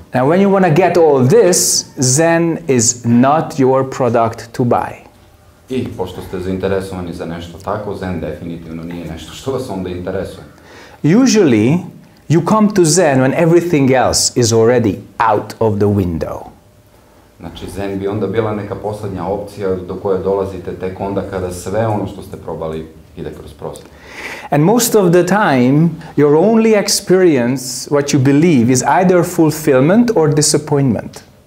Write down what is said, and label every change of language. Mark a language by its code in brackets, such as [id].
[en] Now when you want to get all this, Zen is not your product to buy. [sr] I pošto ste zainteresovani za nešto tako, Zen definitivno nije nešto što vas onda interesuje. [en] Usually, you come to Zen when everything else is already out of the window. [sr] Znači, Zen bi onda bila neka poslednja opcija do koje dolazite tek onda kada sve ono što ste probali ide kroz prozor. [en] And most of the time, your only experience, what you believe, is either fulfillment or disappointment.